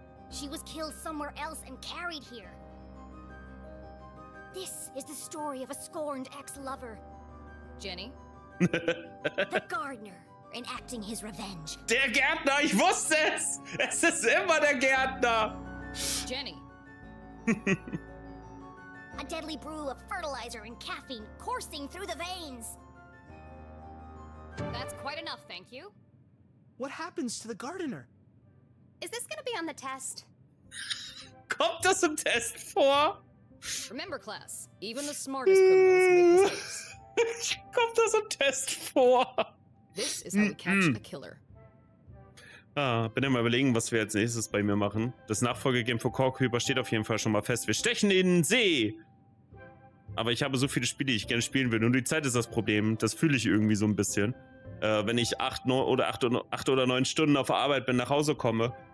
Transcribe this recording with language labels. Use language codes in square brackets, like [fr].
[en] She was killed somewhere else and carried here. This is the story of a scorned ex-lover. Jenny? The gardener. Enacting his revenge. [de] Der Gärtner, ich wusste es! Es ist immer der Gärtner! [en] Jenny. A deadly brew of fertilizer and caffeine coursing through the veins. That's quite enough, thank you. What happens to the gardener? Is this gonna be on the test? [de] Kommt das im Test vor? [en] Remember, class, even the smartest criminals make mistakes. [de] Kommt das im Test vor? [en] This is how we catch a killer. [de] Ah, bin ja mal überlegen, was wir als nächstes bei mir machen. Das Nachfolgegame für Corkhüber steht auf jeden Fall schon mal fest. Wir stechen in den See! Aber ich habe so viele Spiele, die ich gerne spielen will. Nur die Zeit ist das Problem. Das fühle ich irgendwie so ein bisschen. Wenn ich acht oder neun Stunden auf Arbeit bin, nach Hause komme.